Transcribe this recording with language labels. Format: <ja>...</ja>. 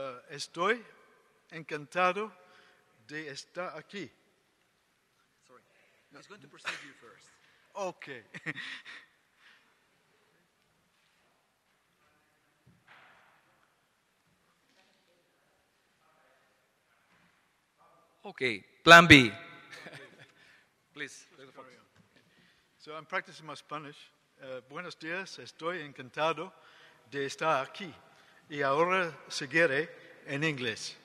<es>Estoy encantado de estar aquí.</es> <en>Sorry, no. He's going to proceed you first. Okay. Okay, plan B. Please. So I'm practicing my Spanish.</en> <es>Buenos días, estoy encantado de estar aquí. Y ahora seguiré en inglés.</es>